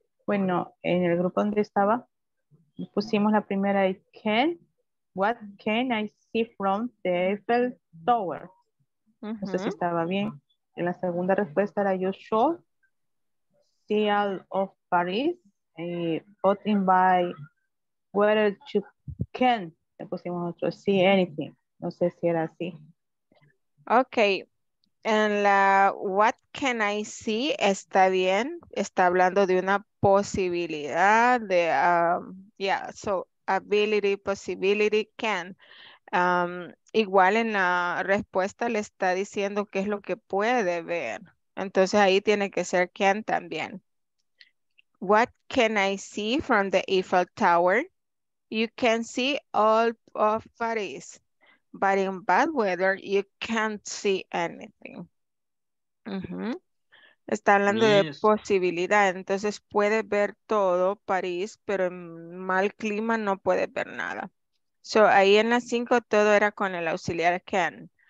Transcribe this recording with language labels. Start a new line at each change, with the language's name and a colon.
Spanish: Bueno, en el grupo donde estaba, pusimos la primera.
English: What can I see from the Eiffel Tower?
Spanish: Uh-huh. No sé si estaba bien. En la segunda respuesta era
English: you should see all of Paris. Put in by whether you can.
Spanish: Le pusimos otro.
English: See anything.
Spanish: No sé si era así. Okay, en la
English: what can I see
Spanish: está bien, está hablando de una posibilidad de,
English: yeah, so ability, possibility, can.
Spanish: Igual en la respuesta le está diciendo qué es lo que puede ver. Entonces ahí tiene que ser can también.
English: What can I see from the Eiffel Tower? You can see all of Paris. But in bad weather, you can't see anything.
Spanish: Mm-hmm. Está hablando
English: yes.
Spanish: de posibilidad. Entonces, puede ver todo París, pero en mal clima no puede ver nada.
English: So,
Spanish: ahí en las 5, todo era con el auxiliar can.